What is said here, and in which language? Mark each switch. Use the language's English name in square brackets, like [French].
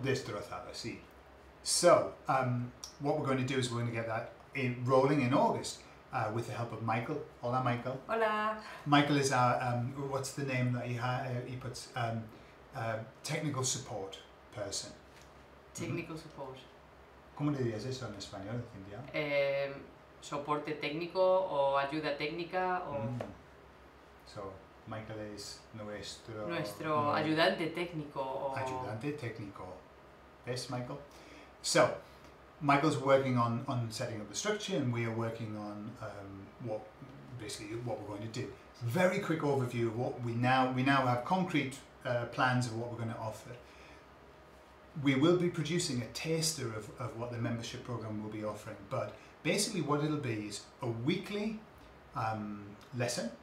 [Spanish] Destrozado, sí. [English] So, what we're going to do is we're going to get that in, rolling in August with the help of Michael. [Spanish] Hola, Michael. Hola. [English] Michael is our, what's the name that he puts? Technical support person. Technical support. [Spanish] ¿Cómo le dirías eso en español, Cindy? Soporte técnico o ayuda técnica o... Mm. So, Michael es nuestro... Nuestro ayudante técnico o... Ayudante técnico. ¿Ves, Michael? [English] So, Michael's working on setting up the structure and we are working on what we're going to do. Very quick overview of what we now have concrete plans of what we're going to offer. We will be producing a taster of what the membership program will be offering, but basically what it'll be is a weekly lesson.